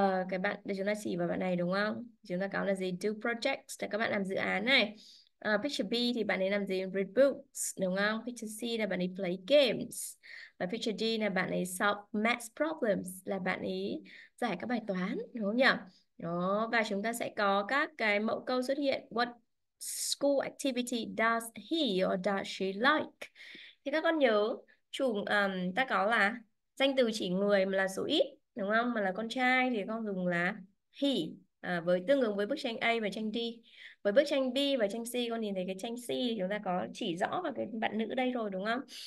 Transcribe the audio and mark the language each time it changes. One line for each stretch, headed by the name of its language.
Vietnamese: Cái bạn để chúng ta chỉ vào bạn này, đúng không? Chúng ta có là gì? Do projects, là các bạn làm dự án này. Picture B thì bạn ấy làm gì? Read books, đúng không? Picture C là bạn ấy play games. Và picture D là bạn ấy solve math problems, là bạn ấy giải các bài toán, đúng không nhỉ? Đó, và chúng ta sẽ có các cái mẫu câu xuất hiện.
English: What school activity does he or does she like?
Vietnamese: Thì các con nhớ ta có là danh từ chỉ người mà là số ít, đúng không? Mà là con trai thì con dùng là he, với tương ứng với bức tranh A và tranh D. Với bức tranh B và tranh C, con nhìn thấy cái tranh C thì chúng ta có chỉ rõ vào cái bạn nữ đây rồi, đúng không?